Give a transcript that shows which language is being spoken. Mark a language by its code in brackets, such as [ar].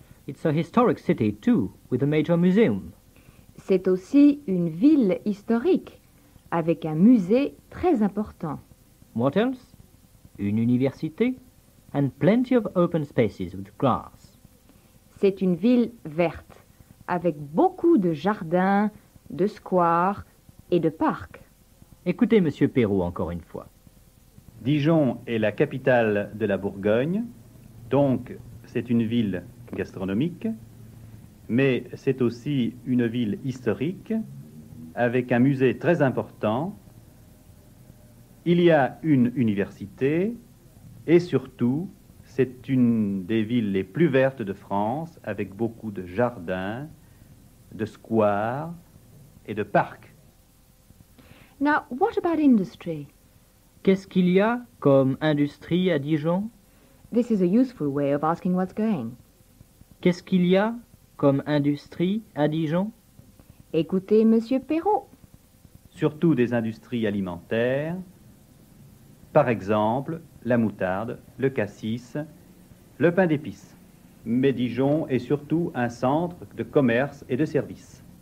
[en] It's a historic city too, with a major museum. [fr] C'est aussi une ville historique, avec un musée très important. [en] What else? Une université and plenty of open spaces with grass. [fr] C'est une ville verte, avec beaucoup de jardins, de squares et de parcs. Écoutez Monsieur Perrault encore une fois. Dijon est la capitale de la Bourgogne, donc c'est une ville gastronomique, mais c'est aussi une ville historique, avec un musée très important. Il y a une université, et surtout, c'est une des villes les plus vertes de France, avec beaucoup de jardins, de squares et de parcs. [en] Now, what about industry? [fr] Qu'est-ce qu'il y a comme industrie à Dijon? [en] This is a useful way of asking what's going. [fr] Qu'est-ce qu'il y a comme industrie à Dijon? Écoutez, Monsieur Perrault. Surtout des industries alimentaires, par exemple, la moutarde, le cassis, le pain d'épices. Mais Dijon est surtout un centre de commerce et de services.